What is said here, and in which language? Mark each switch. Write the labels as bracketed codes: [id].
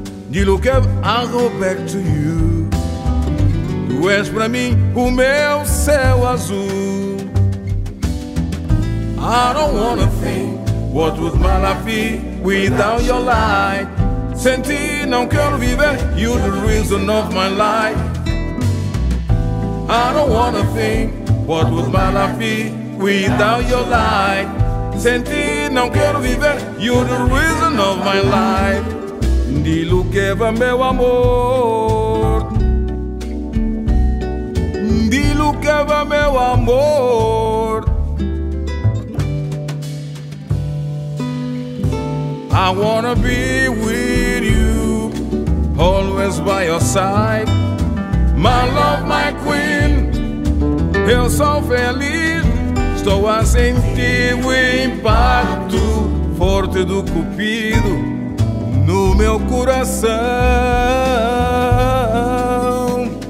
[pt] Ndilokewa, [en] I go back to you. [pt] Tu és pra mim o meu céu azul. [en] I don't wanna think what would my life be without your light. [pt] Sem ti não quero viver, [en] you're the reason of my life. I don't wanna think what would my life be without your light. [pt] Sem ti não quero viver, [en] you're the reason of my life. [pt] Ndilokewa, meu amor. Ndilokewa, meu amor. [en] I wanna be with you, always by your side. My love, my queen, [pt] eu sou feliz. Estou a sentir o impacto forte do cupido no meu coração.